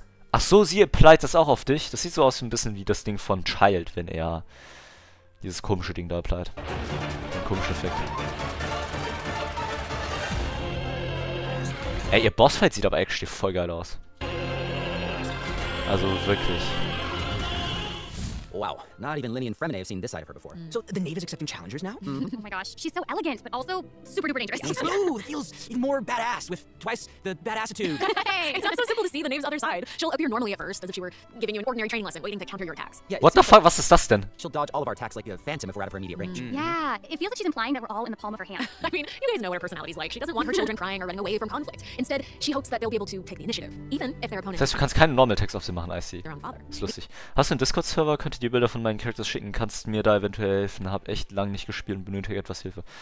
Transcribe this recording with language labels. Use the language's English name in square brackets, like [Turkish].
[German] Ach so, sie applied das auch auf dich. Das sieht so aus ein bisschen wie das Ding von Child, wenn er dieses komische Ding da applied. Den komischen Effekt. Ey, ihr Bossfight sieht aber eigentlich voll geil aus. Also wirklich. [English] Wow, not even Linny and Fremenay have seen this cipher before. So the Knave is accepting challengers now? Mm-hmm. Oh my gosh, she's so elegant, but also super duper dangerous. Yeah, ooh, it feels even more badass with twice the badassitude. Hey, it's not so simple to see the Knave's other side. She'll appear normally at first, as if she were giving you an ordinary training lesson, waiting to counter your attacks. Yeah, what the fuck? [German] Was ist das denn? [English] She'll dodge all of our attacks like a phantom if we're out of her immediate range. Mm-hmm. Yeah, it feels like she's implying that we're all in the palm of her hand. I mean, you guys know what her personality's like. She doesn't want her children crying or running away from conflict. Instead, she hopes that they'll be able to take the initiative, even if their opponent. [German] Das heißt, du kannst keinen normal Text auf sie machen, [English] I see. [German] Ist lustig. Hast du einen Discord-Server? Die Bilder von meinen Characters schicken, kannst mir da eventuell helfen, hab echt lang nicht gespielt und benötige etwas Hilfe.